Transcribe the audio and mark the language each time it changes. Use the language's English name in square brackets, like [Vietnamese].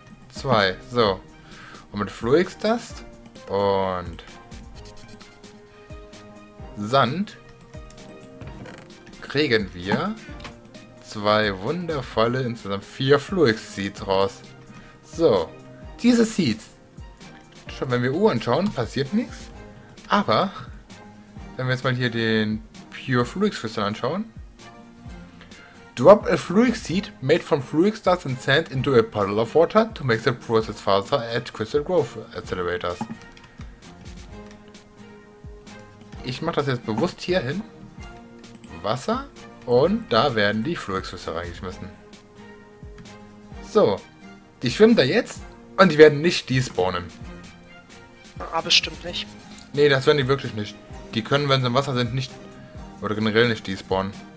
[German] Zwei, so. Und mit Fluix Dust und Sand kriegen wir zwei wundervolle, insgesamt vier Fluix Seeds raus. So, diese Seeds. Schon wenn wir Uhren schauen, passiert nichts. Aber wenn wir jetzt mal hier den Pure Fluix Crystal anschauen. [English] Drop a Fluix Seed made from Fluix Dust and Sand into a puddle of water to make the process faster at Crystal Growth Accelerators. [German] Ich mache das jetzt bewusst hier hin. Wasser. Und da werden die Fluix Crystal reingeschmissen. So. Die schwimmen da jetzt. Und die werden nicht despawnen. Ah, bestimmt nicht. Nee, das werden die wirklich nicht. Die können, wenn sie im Wasser sind, nicht. Oder generell nicht despawnen.